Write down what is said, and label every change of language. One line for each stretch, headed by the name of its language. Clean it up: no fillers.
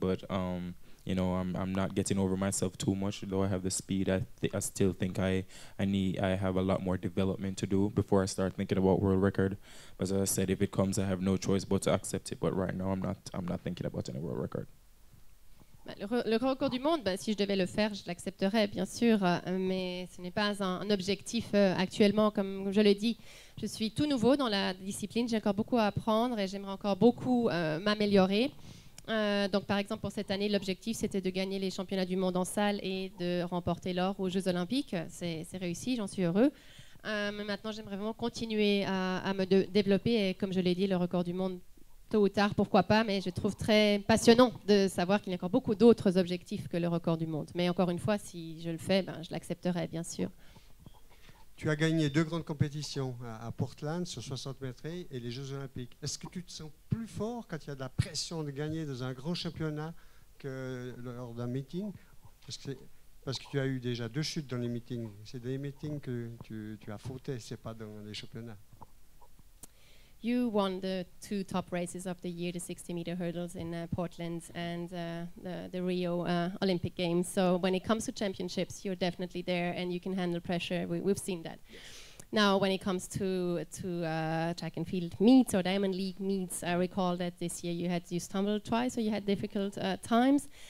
English: But you know, I'm not getting over myself too much. Though I have the speed, I still think I have a lot more development to do before I start thinking about world record. But as I said, if it comes, I have no choice but to accept it. But right now, I'm not thinking about any world record.
French: Le record du monde, si je devais le faire, je l'accepterais, bien sûr, mais ce n'est pas un objectif actuellement. Comme je l'ai dit, je suis tout nouveau dans la discipline, j'ai encore beaucoup à apprendre et j'aimerais encore beaucoup m'améliorer. Donc, par exemple, pour cette année, l'objectif, c'était de gagner les championnats du monde en salle et de remporter l'or aux Jeux olympiques. C'est réussi, j'en suis heureux. Mais maintenant, j'aimerais vraiment continuer à me développer et, comme je l'ai dit, le record du monde, tôt ou tard, pourquoi pas, mais je trouve très passionnant de savoir qu'il y a encore beaucoup d'autres objectifs que le record du monde. Mais encore une fois, si je le fais, je l'accepterai, bien sûr. Tu as gagné deux grandes compétitions à Portland sur 60 mètres et les Jeux Olympiques. Est-ce que tu te sens plus fort quand il y a de la pression de gagner dans un grand championnat que lors d'un meeting? Parce que tu as eu déjà deux chutes dans les meetings. C'est des meetings que tu as fauté, c'est pas dans les championnats.
English: You won the two top races of the year, the 60-meter hurdles in Portland and the Rio Olympic Games. So when it comes to championships, you're definitely there and you can handle pressure. We've seen that. Now, when it comes to track and field meets or Diamond League meets, I recall that this year you stumbled twice, or you had difficult times.